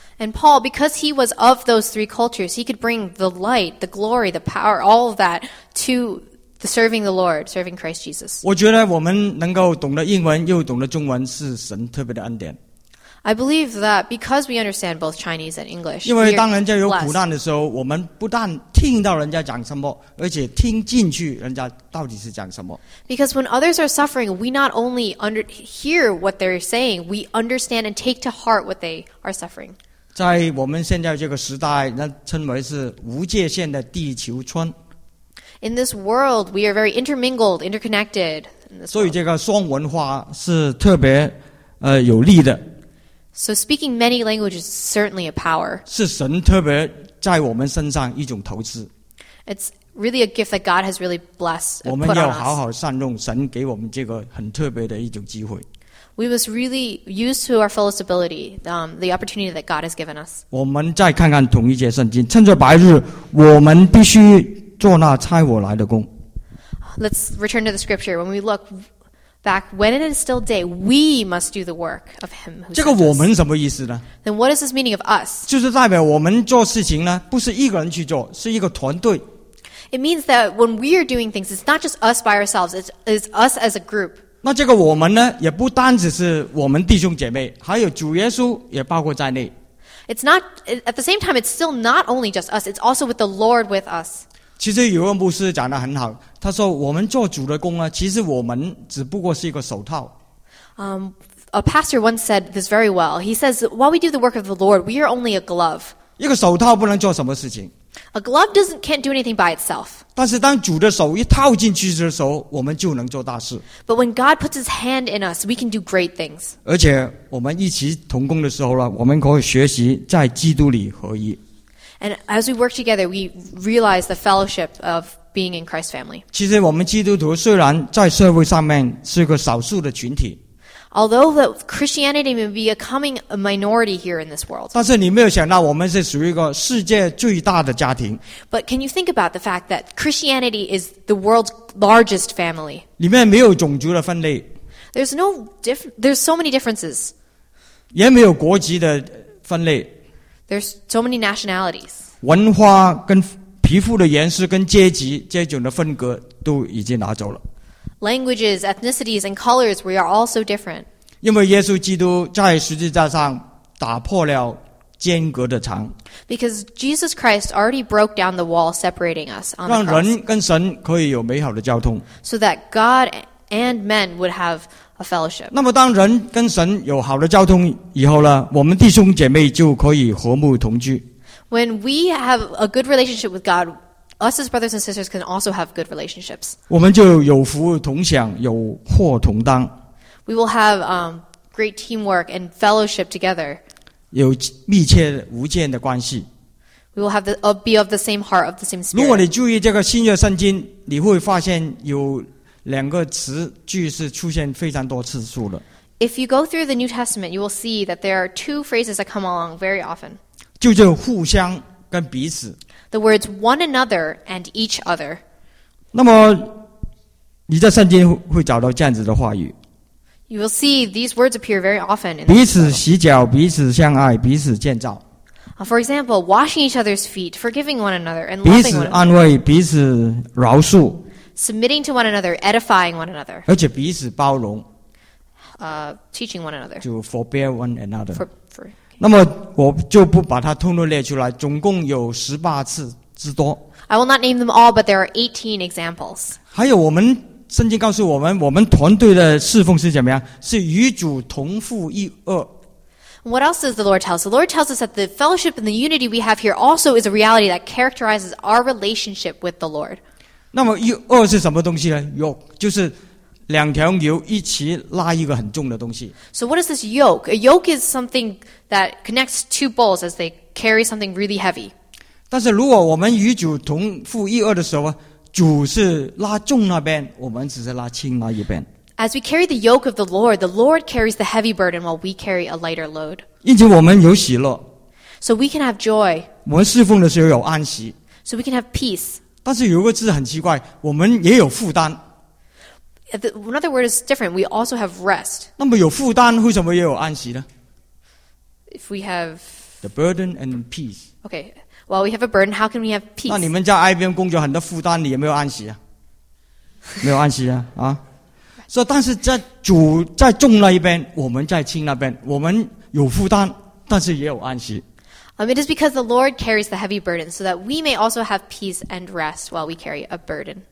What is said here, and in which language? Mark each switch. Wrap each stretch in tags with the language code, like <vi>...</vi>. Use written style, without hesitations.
<en>And Paul, because he was of those three cultures, he could bring the light, the glory, the power, all of that to the serving the Lord, serving Christ Jesus.</en> <zh>我觉得我们能够懂得英文又懂得中文是神特别的恩典。</zh> <en>I believe that because we understand both Chinese and English,</en> <zh>因为当人家有苦难的时候，我们不但听到人家讲什么，而且听进去人家到底是讲什么。</zh> <en>Because when others are suffering, we not only hear what they're saying, we understand and take to heart what they are suffering.</en> <zh>在我们现在这个时代，那称为是无界限的地球村。</zh> <en>In this world, we are very intermingled, interconnected. In this</en> <zh>所以这个双文化是特别有利的。</zh> <en>So speaking many languages is certainly a power.</en> <zh>是神特别在我们身上一种投资。</zh> <en>It's really a gift that God has really blessed.</en> <zh>我们要好好善用神给我们这个很特别的一种机会。</zh> <en>We must really use to our fullest ability, the opportunity that God has given us.</en> <zh>我们再看看同一节圣经，趁着白日，我们必须做那差我来的工。</zh> <en>Let's return to the scripture. When we look back, when it is still day, we must do the work of him who sent us.</en> <zh>这个我们什么意思呢？</zh> <en>Then what is this meaning of us?</en> <zh>就是代表我们做事情呢，不是一个人去做，是一个团队。</zh> <en>It means that when we are doing things, it's not just us by ourselves, it's us as a group.</en> <zh>那这个我们呢，也不单只是我们弟兄姐妹，还有主耶稣也包括在内。</zh> <en>It's not, at the same time, it's still not only just us, it's also with the Lord with us.</en> <zh>其实有位牧师讲得很好，他说我们做主的工呢，其实我们只不过是一个手套。</zh> <en>A pastor once said this very well. He says, while we do the work of the Lord, we are only a glove.</en> <zh>一个手套不能做什么事情。</zh> <en>A glove doesn't can't do anything by itself.</en> <zh>但是当主的手一套进去的时候，我们就能做大事。</zh> <en>But when God puts his hand in us, we can do great things.</en> <zh>而且我们一起同工的时候呢，我们可以学习在基督里合一。</zh> <en>And as we work together, we realize the fellowship of being in Christ's family.</en> <zh>其实我们基督徒虽然在社会上面是个少数的群体。</zh> <en>Although that Christianity may be becoming a minority here in this world.</en> <zh>但是你没有想到我们是属于一个世界最大的家庭。</zh> <en>But can you think about the fact that Christianity is the world's largest family?</en> <zh>里面没有种族的分类。</zh> <en>There's so many differences.</en> <zh>也没有国籍的分类。</zh> <en>There's so many nationalities.</en> <zh>文化跟皮肤的颜色跟阶级这种的分隔都已经拿走了。</zh> <en>Languages, ethnicities, and colors, we are all so different.</en> <zh>因为耶稣基督在十字架上打破了间隔的墙。</zh> <en>Because Jesus Christ already broke down the wall separating us on the cross.</en> <zh>让人跟神可以有美好的交通。</zh> <en>So that God and men would have a fellowship.</en> <zh>那么当人跟神有好的交通以后呢，我们弟兄姐妹就可以和睦同居。</zh> <en>When we have a good relationship with God, us as brothers and sisters can also have good relationships.</en> <zh>我们就有福同享，有祸同当。</zh> <en>We will have great teamwork and fellowship together.</en> <zh>有密切无间的关系。</zh> <en>We will have be of the same heart, of the same spirit.</en> <zh>如果你注意这个新约圣经，你会发现有两个词句是出现非常多次数的。</zh> <en>If you go through the New Testament, you will see that there are two phrases that come along very often.</en> <zh>就是互相跟彼此。</zh> <en>The words one another and each other.</en> <zh>那么你在圣经会找到这样子的话语。</zh> <en>You will see these words appear very often.</en> <zh>彼此洗脚，彼此相爱，彼此建造。</zh> <en>For example, washing each other's feet, forgiving one another, and loving one another.</en> <zh>彼此安慰，彼此饶恕。</zh> <en>Submitting to one another, edifying one another.</en> <zh>而且彼此包容。</zh> <en>Teaching one another. 就 forbear one another. For, okay.</en> <zh>那么我就不把它通通列出来，总共有十八次之多。</zh> <en>I will not name them all, but there are 18 examples.</en> <zh>还有我们圣经告诉我们，我们团队的侍奉是怎么样？是与主同父一轭。</zh> <en>What else does the Lord tell us? The Lord tells us that the fellowship and the unity we have here also is a reality that characterizes our relationship with the Lord.</en> <zh>那么一轭是什么东西呢？yoke 就是两条牛一起拉一个很重的东西。</zh> <en>So what is this yoke? A yoke is something that connects two bulls as they carry something really heavy.</en> <zh>但是如果我们与主同父一轭的时候，主是拉重那边，我们只是拉轻那一边。</zh> <en>As we carry the yoke of the Lord carries the heavy burden while we carry a lighter load.</en> <zh>因此我们有喜乐。</zh> <en>So we can have joy.</en> <zh>我们侍奉的时候有安息。</zh> <en>So we can have peace.</en> <zh>但是有一个字很奇怪，我们也有负担。</zh> <en>Another word is different. We also have rest.</en> <zh>那么有负担，为什么也有安息呢？</zh> <en>If we have... The burden and peace. Okay. While we have a burden, how can we have peace?</en> <zh>那你们在 IBM 工作很多负担，你有没有安息啊？没有安息啊，啊？说，但是在主在重那一边，我们在轻那边，我们有负担，但是也有安息。</zh> <en>It is because the Lord carries the heavy burden, so that we may also have peace and rest while we carry a burden.</en>